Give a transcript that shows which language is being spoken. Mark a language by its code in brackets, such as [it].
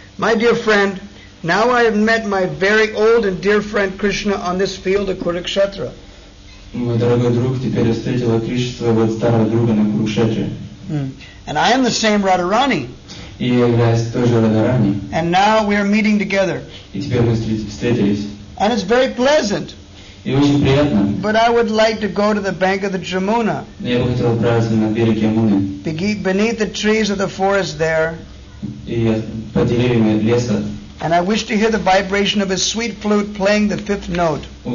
[en] My dear friend, now I have met my very old and dear friend Krishna on this field of Kurukshetra. [ru] Мой дорогой друг теперь встретила Кришну своего старого друга на Курукшетре. [en] And I am the same Radharani. [ru] И я являюсь тоже Радхарани. [en] And now we are meeting together. [ru] И теперь мы встретились. [en] And it's very pleasant. But I would like to go to the bank of the Jamuna. Beneath the trees of the forest there. And I wish to hear the vibration of his sweet flute playing the fifth note.